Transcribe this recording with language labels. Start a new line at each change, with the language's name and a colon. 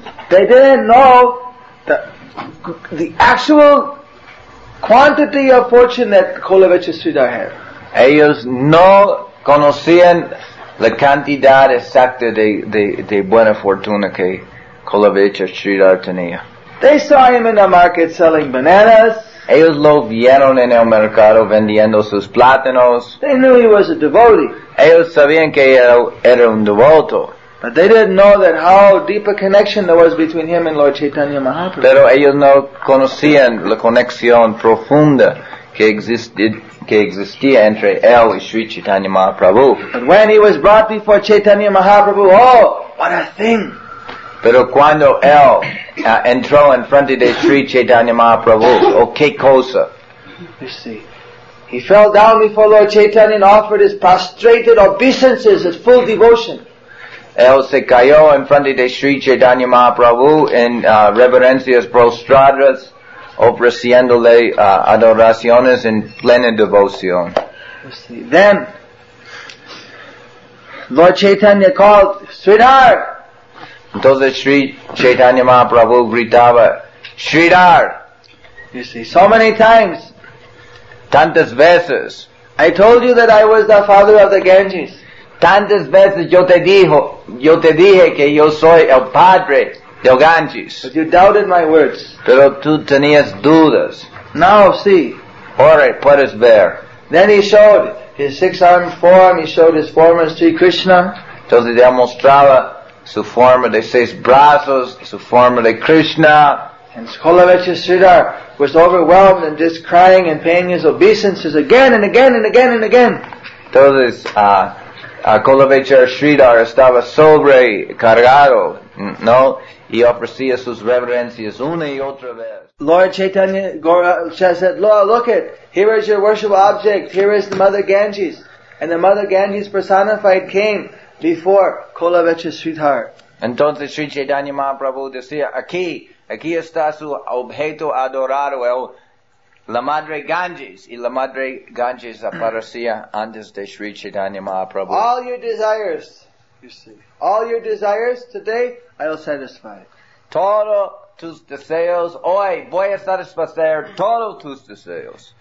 English: They didn't know the actual quantity of fortune that Kulavecha Sridhar had.
Spanish: Ellos no conocían la cantidad exacta de buena fortuna que Kulavecha Sridhar tenía.
English: They saw him in the market selling bananas.
Spanish: Ellos lo vieron en el mercado vendiendo sus plátanos.
English: They knew he was a devotee.
Spanish: Ellos sabían que él era un devoto.
English: But they didn't know that how deep a connection there was between him and Lord Chaitanya Mahaprabhu.
Spanish: Pero ellos no conocían la conexión profunda que existía entre él y Sri Chaitanya Mahaprabhu.
English: But when he was brought before Chaitanya Mahaprabhu, oh, what a thing!
Spanish: Pero cuando él entró en frente de Sri Chaitanya Mahaprabhu, oh, qué cosa!
English: You see. He fell down before Lord Chaitanya and offered his prostrated obeisances, his full devotion.
Spanish: Él se cayó en frente de Sri Chaitanya Mahaprabhu en reverencias prostradas, ofreciéndole adoraciones en plena devoción.
English: Then, Lord Chaitanya called, Sridhar!
Spanish: Entonces Sri Chaitanya Mahaprabhu gritaba, Sridhar!
English: You see, so many times,
Spanish: tantas veces,
English: I told you that I was the father of the Ganges.
Spanish: Tantas veces yo te dije que yo soy el padre del Ganges.
English: But you doubted my words.
Spanish: Pero tú tenías dudas.
English: Now see.
Spanish: Ahora puedes ver.
English: Then he showed his six-armed form. He showed his form as Sri Krishna.
Spanish: Entonces él mostraba su forma de seis brazos, su forma de Krishna.
English: And Kulavecha Sridhar was overwhelmed and just crying and paying his obeisances again and again and again and again.
Spanish: Entonces, Kulavecha Sridhar estaba sobrecargado, ¿no? Y ofrecía sus reverencias una y otra vez.
English: Lord Chaitanya said, look it, here is your worshipful object, here is the Mother Ganges. And the Mother Ganges personified came before Kulavecha Sridhar.
Spanish: Entonces Sri Chaitanya Mahaprabhu decía, aquí está su objeto adorado, el La Madre Ganges, y La Madre Ganges aparecía antes de Sri Chaitanya Mahaprabhu.
English: All your desires, you see, all your desires today, I will satisfy.
Spanish: Todos tus deseos hoy, voy a satisfacer todos tus deseos.